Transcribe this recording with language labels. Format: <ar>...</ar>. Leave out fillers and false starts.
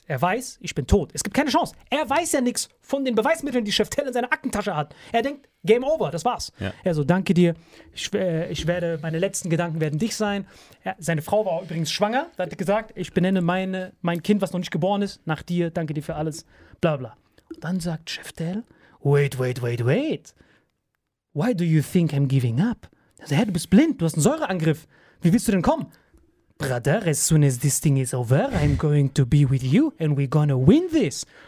<de>Er weiß, ich bin tot. Es gibt keine Chance. Er weiß ja nichts von den Beweismitteln, die Chef Dell in seiner Aktentasche hat. Er denkt, Game over, das war's. Ja. Er so, danke dir. Meine letzten Gedanken werden dich sein. Seine Frau war übrigens schwanger. Da hat gesagt, ich benenne mein Kind, was noch nicht geboren ist, nach dir. Danke dir für alles. Bla bla. Und dann sagt Chef Dell, wait.</de> <en>Why do you think I'm giving up?</en> <de>Also, hey, du bist blind, du hast einen Säureangriff. Wie willst du denn kommen?</de> <en>Brother, as soon as this thing is over, I'm going to be with you and we're gonna win this.</en>